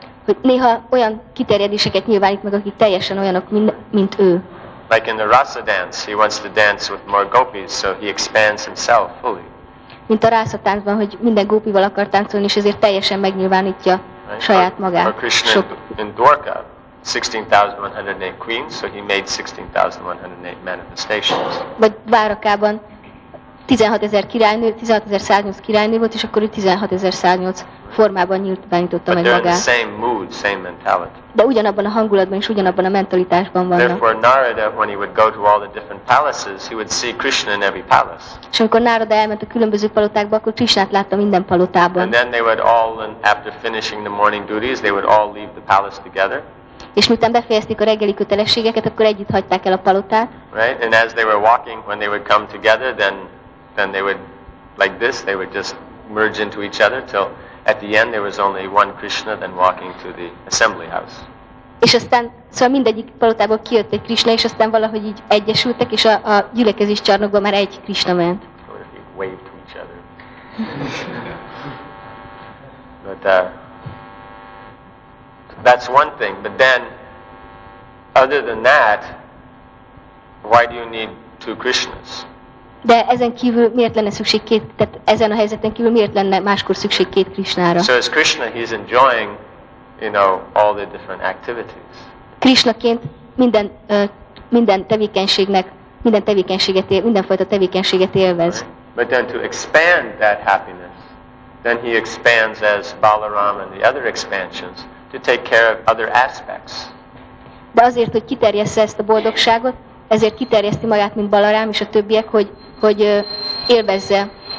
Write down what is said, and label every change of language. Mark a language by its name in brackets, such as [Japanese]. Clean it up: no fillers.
[Hungarian] Hogy néha olyan kiterjedéseket nyilvánít meg, akik teljesen olyanok, mint ő. [English] Like in the Rasa dance, he wants to dance with more gopis, so he expands himself fully. [Hungarian] Mint a Rasa táncban, hogy minden gópival akar táncolni, és ezért teljesen megnyilvánítja saját magát. [English] Or Krishna in Dwarka. 16,108 queens, so he made 16,108 manifestations. [Hungarian] Vagy Dvárakában 16,000 királynő, 16,108 királynő volt, és akkor ő 16,108 formában nyílt, bánította meg magát. [English] But they're in the same mood, same mentality. [Hungarian] De ugyanabban a hangulatban és ugyanabban a mentalitásban vannak. [English] Therefore Narada, when he would go to all the different palaces, he would see Krishna in every palace. [Hungarian] És amikor Narada elment a különböző palotákba, akkor Krishnát látta minden palotában. [English] And then they would all, and after finishing the morning duties, they would all leave the palace together. [Hungarian] És miután befejezték a reggeli kötelességeket, akkor együtt hagyták el a palotát. [English] Right, and as they were walking, when they would come together, then they would, like this, they would just merge into each other till at the end there was only one Krishna then walking to the assembly house. [Hungarian] És aztán, szóval mindegyik palotából kijött egy Krishna, és aztán valahogy így egyesültek, és a gyülekezés csarnokba már egy Krishna ment. [English] Or if he waved to each other. But that's one thing. But then, other than that, why do you need two Krishnas? [Hungarian] De ezen kívül miért lenne szükség két, tehát ezen a helyzeten kívül miért lenne máskor szükség két Krishnára? [English] So as Krishna, he's enjoying, you know, all the different activities. [Hungarian] Krishnaként minden tevékenységet élvez. [English] Right. But then to expand that happiness, then he expands as Balaram and the other expansions to take care of other aspects. [Hungarian] De azért, hogy kiterjessze ezt a boldogságot, ezért kiterjeszti magát, mint Balaram és a többiek, hogy élvezze.